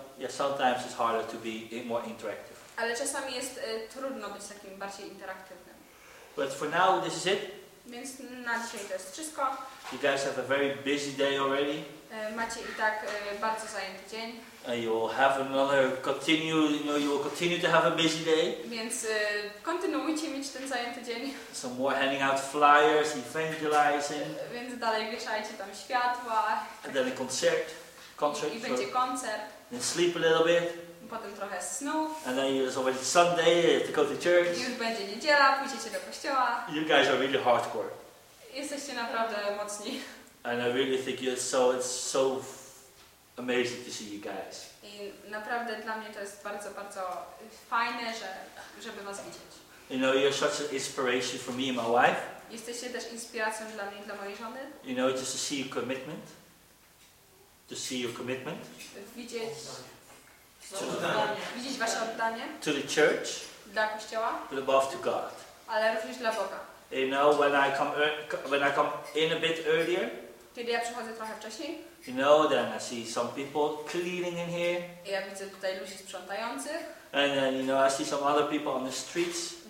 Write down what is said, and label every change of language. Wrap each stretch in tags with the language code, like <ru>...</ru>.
<en>Sometimes it's harder to be more interactive.</en> <pl>Ale czasami jest trudno być takim bardziej interaktywnym.</pl> <en>But for now, this is it.</en> <pl>Więc na dzisiaj to jest wszystko.</pl> <en>You guys have a very busy day already.</en> <pl>Macie i tak bardzo zajęty dzień.</pl> <en>And you will have another you will continue to have a busy day.</en> <pl>Więc kontynuujcie mieć ten zajęty dzień.</pl> <en>Some more handing out flyers, evangelizing.</en> <pl>Więc dalej wieszajcie tam światła.</pl> <en>And then a concert.</en> <pl>I będzie koncert.</pl> <en>Then sleep a little bit.</en> <pl>Potem trochę snu.</pl> <en>And then it's already Sunday, to go to church.</en> <pl>Już będzie niedziela, pójdziecie do kościoła.</pl> <en>You guys are really hardcore.</en> <pl>Jesteście naprawdę mocni.</pl> <en>And I really think you're it's so amazing to see you guys.</en> <pl>I naprawdę dla mnie to jest bardzo, bardzo fajne, żeby was widzieć.</pl> <en>You know, you're such an inspiration for me and my wife.</en> <pl>Jesteście też inspiracją dla mnie i dla mojej żony.</pl> <en>You know, just to see your commitment. To see your commitment.</en> <pl>Widzieć. To widzieć wasze oddanie.</pl> <en>To the church.</en> <pl>Dla kościoła.</pl> <en>But above to God.</en> <pl>Ale również dla Boga.</pl> <en>You know, when I come in a bit earlier.</en> <pl>Kiedy ja przychodzę trochę wcześniej.</pl> <en>You know, then I see some people cleaning in here.</en> <pl>Ja widzę tutaj ludzi sprzątających.</pl> <en>And then, you know, I see some other people on the streets.</en>